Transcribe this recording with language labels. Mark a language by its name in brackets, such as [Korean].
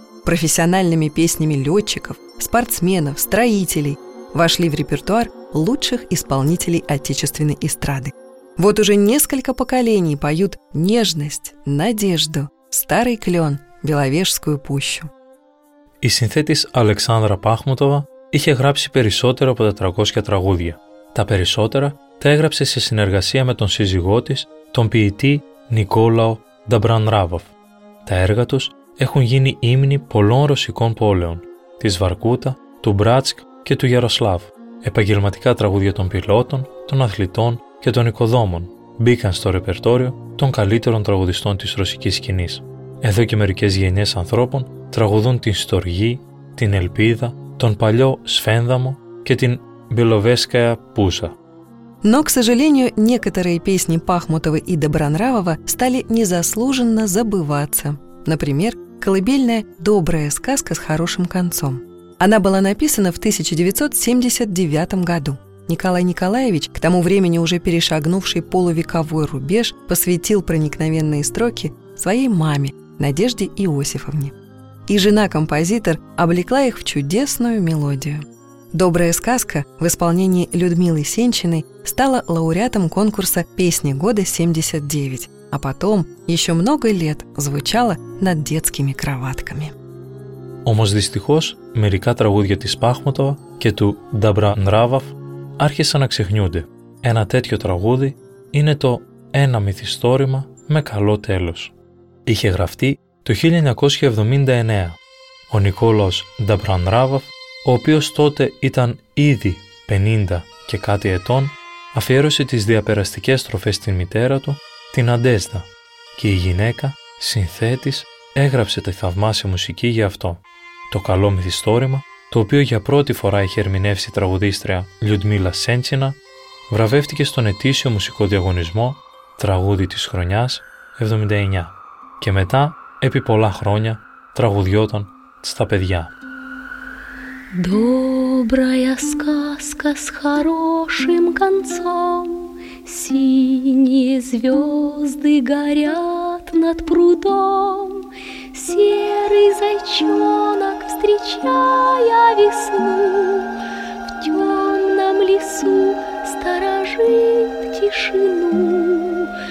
[Russian] Профессиональными песнями летчиков, спортсменов, строителей вошли в репертуар лучших исполнителей отечественной эстрады. Вот уже несколько поколений поют «Нежность», «Надежду», «Старый клен», «Беловежскую пущу». [Greek] Η συνθέτης Αλεξάνδρα Πάχμουτοβα είχε γράψει περισσότερα από 400 τραγούδια. Τα περισσότερα τα έγραψε σε συνεργασία με τον σύζυγό της, τον ποιητή Νικόλαο Νταμπρανράβοφ. Τα έργα τους έχουν γίνει ύμνοι πολλών ρωσικών πόλεων, της Βαρκούτα, του Μπράτσκ και του Γιαροσλάβ. Επαγγελματικά τραγούδια των πιλότων, των αθλητών και των οικοδόμων μπήκαν στο ρεπερτόριο των καλύτερων τραγουδιστών της ρωσικής σκηνής. Εδώ και μερικές γενιές ανθρώπων τραγουδούν την Στοργή, την Ελπίδα, τον παλιό Σφένδαμο και την Μπελοβέσκαια Πούσα. [Russian] Но, к сожалению, некоторые песни Пахмутова и Добронравова стали незаслуженно забываться. Например, колыбельная «Добрая сказка с хорошим концом». Она была написана в 1979 году. Николай Николаевич, к тому времени уже перешагнувший полувековой рубеж, посвятил проникновенные строки своей маме, Надежде Иосифовне. И жена-композитор облекла их в чудесную мелодию. «Добрая сказка» в исполнении Людмилы Сенчиной стала лауреатом конкурса «Песни года 79», а потом еще много лет звучала над детскими кроватками. [Greek] Όμως δυστυχώς, μερικά τραγούδια της Πάχμουτοβα και του Νταμπρανράβοφ άρχισαν να ξεχνιούνται. Ένα τέτοιο τραγούδι είναι το «Ένα μυθιστόρημα με καλό τέλος». Είχε γραφτεί το 1979. Ο Νικόλαος Νταμπρανράβοφ, ο οποίος τότε ήταν ήδη 50 και κάτι ετών, αφιέρωσε τις διαπεραστικές στροφές στην μητέρα του, την Αντέστα, και η γυναίκα, συνθέτης, έγραψε τη θαυμάσια μουσική για αυτό. Το καλό μυθιστόρημα, το οποίο για πρώτη φορά είχε ερμηνεύσει η τραγουδίστρια Λιουντμίλα Σέντσινα, βραβεύτηκε στον ετήσιο μουσικό διαγωνισμό «Τραγούδι της χρονιάς 79». Και μετά, επί πολλά χρόνια, τραγουδιόταν στα παιδιά. [Russian] Добрая сказка с хорошим концом, синие звезды горят над прудом, серый зайчонок, встречая весну, в темном лесу сторожит тишину.